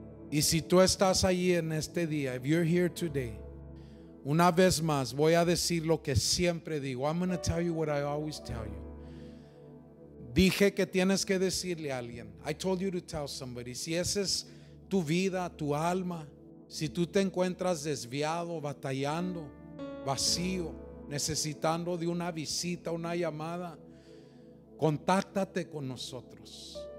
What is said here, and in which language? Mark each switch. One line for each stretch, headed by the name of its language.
Spanish: Y si tú estás allí en este día,
English: if you're here today,
Spanish: una vez más voy a decir lo que siempre digo.
English: I'm going to tell you what I always tell you.
Spanish: Dije que tienes que decirle a alguien.
English: I told you to tell somebody.
Spanish: Si esa es tu vida, tu alma, si tú te encuentras desviado, batallando, vacío, necesitando de una visita, una llamada, contáctate con nosotros.